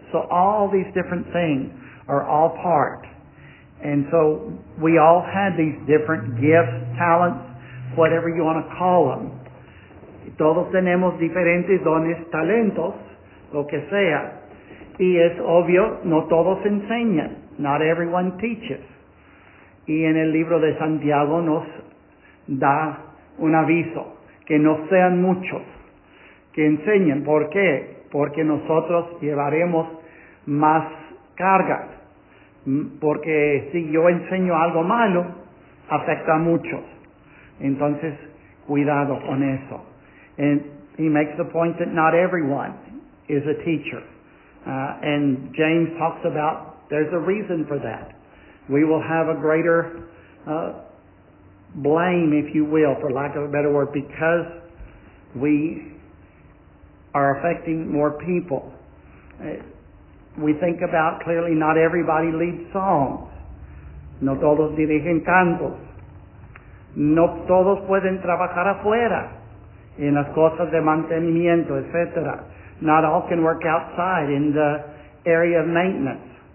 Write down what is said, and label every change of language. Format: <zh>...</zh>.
<en>So all these different things are all part. And so we all had these different gifts, talents, whatever you want to call them.</en> <es>Todos tenemos diferentes dones, talentos, lo que sea. Y es obvio, no todos enseñan.</es> <en>Not everyone teaches.</en> <es>Y en el libro de Santiago nos da un aviso, que no sean muchos que enseñen. ¿Por qué? Porque nosotros llevaremos más cargas. Porque si yo enseño algo malo, afecta a muchos. Entonces, cuidado con eso.</es> <en>And he makes the point that not everyone is a teacher. And James talks about there's a reason for that. We will have a greater blame, if you will, for lack of a better word, because we are affecting more people. We think about, clearly, not everybody leads songs.</en> <es>No todos dirigen cantos. No todos pueden trabajar afuera en las cosas de mantenimiento, etc.</es> <en>Not all can work outside in the area of maintenance.</en>